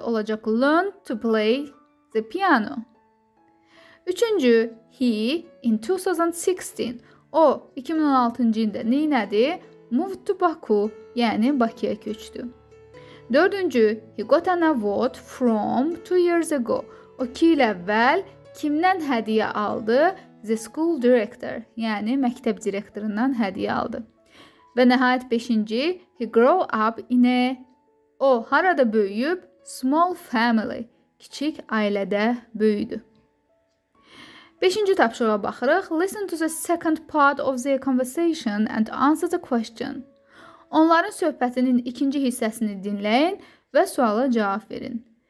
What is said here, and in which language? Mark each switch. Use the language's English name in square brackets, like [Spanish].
[Azerbaijani] Olacaq, [English] learned to play the piano. [Azerbaijani] Üçüncü, [English] he in 2016. [Azerbaijani] O 2016-cı ildə neynədi? [English] Moved to Baku, [Azerbaijani] yəni Bakıya köçdü. Dördüncü, [English] he got an award from 2 years ago. [Azerbaijani] O 2 il əvvəl kimdən hədiyə aldı? [English] The school director, [Azerbaijani] yəni məktəb direktorundan hədiyə aldı. Və nəhayət 5-ci, [English] he grew up in a... [Azerbaijani] O, harada böyüyüb? [English] Small family, [Azerbaijani] kiçik ailədə böyüdü. 5-ci tapşırığa baxırıq. [English] Listen to the second part of their conversation and answer the question. [Azerbaijani] Onların söhbətinin ikinci hissəsini dinləyin və suala cavab verin.